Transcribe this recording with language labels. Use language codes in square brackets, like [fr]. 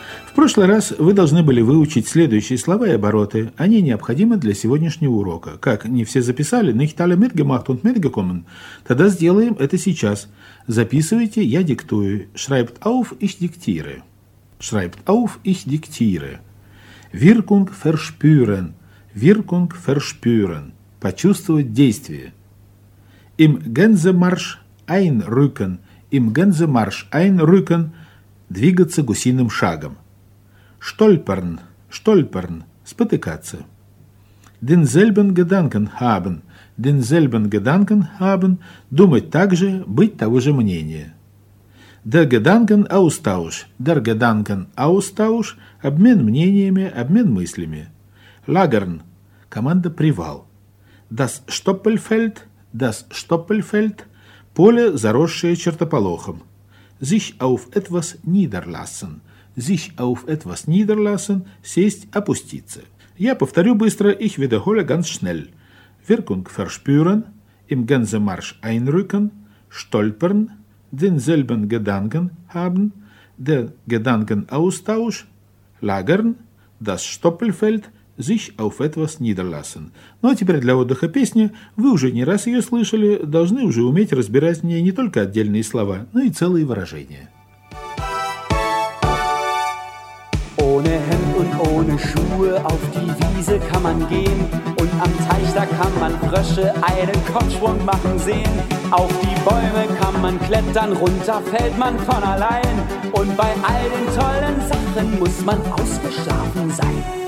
[ru] В прошлый раз вы должны были выучить следующие слова и обороты. Они необходимы для сегодняшнего урока. Как не все записали, [de] nicht alle mitgemacht und mitgekommen, [ru] тогда сделаем это сейчас. Записывайте, я диктую. [de] Schreibt auf, ich diktiere. Schreibt auf, ich diktiere. Wirkung verspüren. Wirkung verspüren. [ru] Почувствовать действие. [de] Im Gänsemarsch einrücken. Im Gänsemarsch einrücken. [ru] Двигаться гусиным шагом. [de] Stolpern. Stolpern. [ru] Спотыкаться. [de] Denselben Gedanken haben. Denselben Gedanken haben. [ru] Думать так же, быть того же мнения. [de] Der Gedanken Austausch. Der Gedanken Austausch. [ru] Обмен мнениями, обмен мыслями. [de] Lagern. [ru] Команда «Привал». [de] Das Stoppelfeld. Das Stoppelfeld. [ru] Поле, заросшее чертополохом. [de] Sich auf etwas niederlassen. Sich auf etwas niederlassen. [ru] Сесть, опуститься. Я повторю быстро. [de] Ich wiederhole ganz schnell. Wirkung verspüren. Im Gänsemarsch einrücken. Stolpern. Denselben Gedanken haben. Der Gedankenaustausch. Lagern. Das Stoppelfeld. Sich auf etwas niederlassen. [ru] Ну а теперь для отдыха песня. Вы уже не раз ее слышали. Должны уже уметь разбирать в ней не только отдельные слова, но и целые выражения. [de] Ohne Hemd und ohne Schuhe auf die Wiese kann man gehen. Und am Teich, da kann man Frösche einen Kopfschwung machen sehen. Auf die Bäume kann man klettern, runter fällt man von allein. Und bei all den tollen Sachen muss man ausgeschlafen sein.